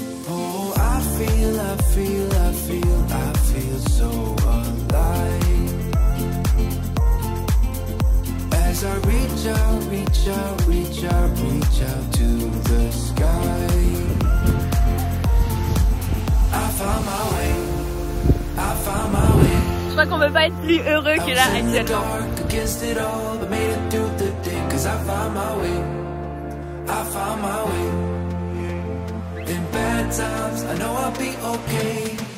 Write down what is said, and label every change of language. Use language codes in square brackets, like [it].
[en] Oh, I feel, I feel, I feel, I feel so alive. As I reach out, reach out, reach out, reach out to the sky. I found my way, I found my way. [fr] Je crois qu'on veut pas être plus heureux que là actuellement. [en] I was in the dark against it all, but made it through the day. Cause I found my way, I found my way. In bad times, I know I'll be okay.